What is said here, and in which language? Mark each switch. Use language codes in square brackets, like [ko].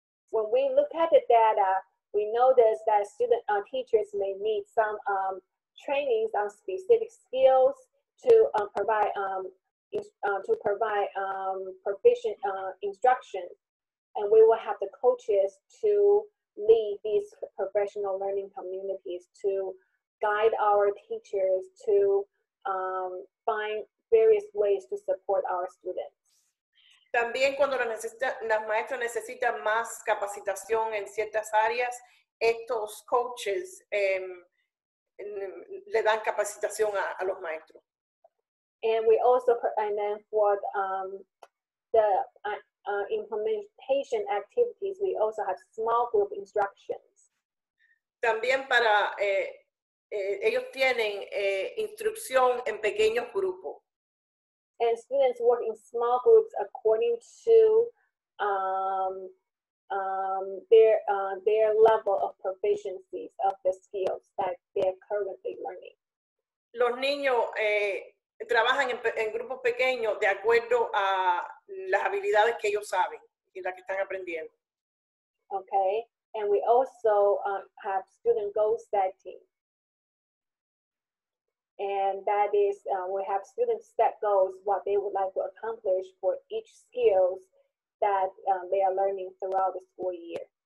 [en] When we look at the data, we notice that student teachers may need some trainings on specific skills to provide proficient instruction, and we will have the coaches to lead these professional learning communities to guide our teachers to find various ways to support our students. [es] También cuando las maestras necesitan más capacitación en ciertas áreas, estos coaches le dan capacitación a los maestros. [en] And we also, and then for the implementation activities, we also have small group instructions. [es] También para, ellos tienen instrucción en pequeños grupos. [en] And students work in small groups according to their their level of proficiency of the skills that they're currently learning. [es] Los niños trabajan en grupos pequeños de acuerdo a las habilidades que ellos saben y las que están aprendiendo. [en] Okay, and we also have student goal setting. And that is, we have students set goals, what they would like to accomplish for each skills that they are learning throughout the school year.